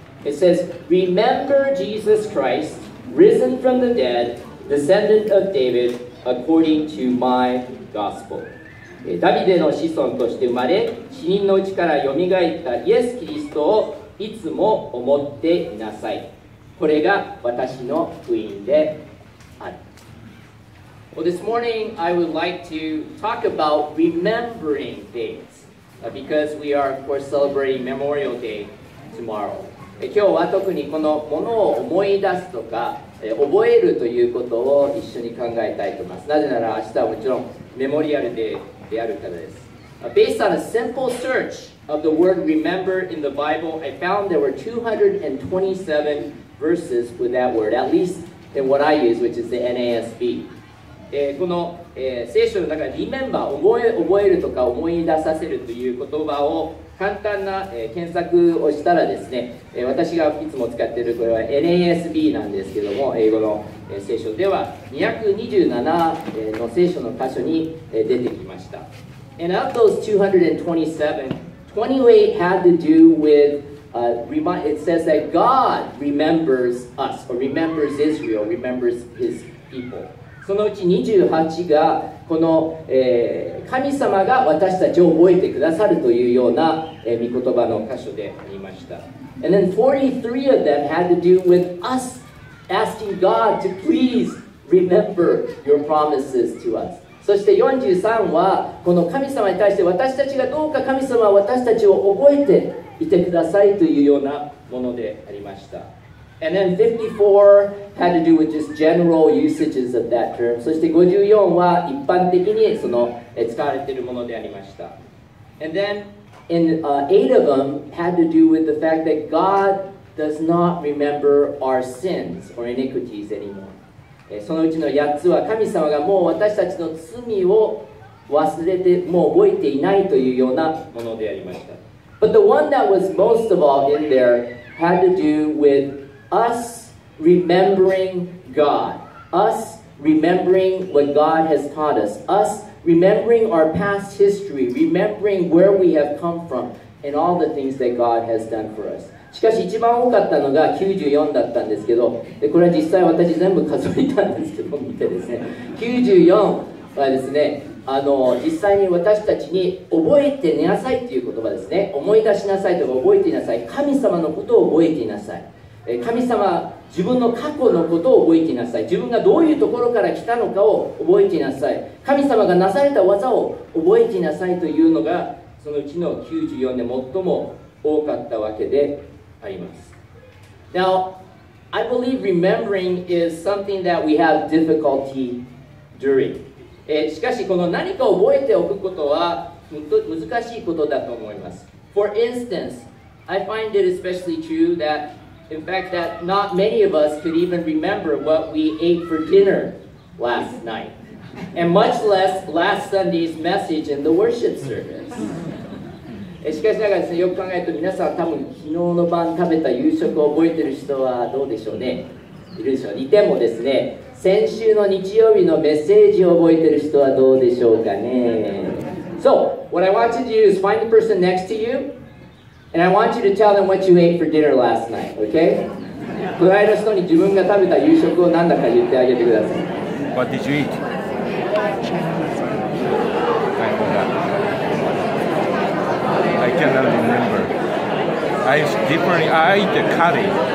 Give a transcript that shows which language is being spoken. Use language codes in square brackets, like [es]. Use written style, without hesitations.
[en] It says, Remember Jesus Christ, risen from the dead, descendant of David,According to my gospel. [ja] ダビデの子孫として生まれ、死人のうちからよみがえったイエス・キリストをいつも思っていなさい。これが私の福音である。 [en] Well, this morning I would like to talk about remembering things, because we are, of course, celebrating Memorial Day tomorrow. [ja] 今日は特にこのものを思い出すとか覚えるということを一緒に考えたいと思います。なぜなら明日はもちろんメモリアルデーであるからです。 [en] Based on a simple search of the word remember in the Bible, I found there were 227 verses with that word, at least in what I use, which is the NASB. [ja] この、聖書の中で remember 覚えるとか思い出させるという言葉を簡単な、検索をしたらですね、私がいつも使っているこれは NASB なんですけども英語の、聖書では227、の聖書の箇所に、出てきました。 [en] And of those 227, 28 had to do with it says that God remembers us or remembers Israel, remembers his people. [ja] そのうち28がこの、神様が私たちを覚えてくださるというような、御言葉の箇所でありました。 [en] And then 43 of them had to do with us asking God to please remember your promises to us. [ja] そして43はこの神様に対して私たちがどうか神様は私たちを覚えていてくださいというようなものでありました。 [en] And then 54 had to do with just general usages of that term. [ja] そして54は一般的にその使われているものでありました。 [en] And then eight of them had to do with the fact that God does not remember our sins or iniquities anymore. [ja] そのうちの8つは神様がもう私たちの罪を忘れて、もう覚えていないというようなものでありました。 [en] But the one that was most of all in there had to do withUs remembering God. Us remembering what God has taught us. Us remembering our past history. Remembering where we have come from. And all the things that God has done for us. [ja] しかし一番多かったのが94だったんですけど、でこれは実際私全部数えたんですけど、見てですね。 94はですね、実際に私たちに覚えて寝なさいっていう言葉ですね。思い出しなさいとか覚えていなさい。神様のことを覚えていなさい。神様、自分の過去のことを覚えていなさい。自分がどういうところから来たのかを覚えていなさい。神様がなされた技を覚えていなさいというのが、そのうちの94で最も多かったわけであります。 [en] Now, I believe remembering is something that we have difficulty during. [ja] しかし、この何かを覚えておくことは難しいことだと思います。 [en] For instance, I find it especially true thatIn fact, that not many of us could even remember what we ate for dinner last night. And much less last Sunday's message in the worship service. [ja] しかしながらですね、よく考えると皆さん多分昨日の晩食べた夕食を覚えてる人はどうでしょうね。いるでしょう。いてもですね、先週の日曜日のメッセージを覚えてる人はどうでしょうかね。 [en] So, what I want you to do is find the person next to you. And I want you to tell them what you ate for dinner last night, okay? [ja] 隣の人に自分が食べた夕食を何だか言ってあげてください。 [en] What did you eat? I cannot remember. I ate the curry.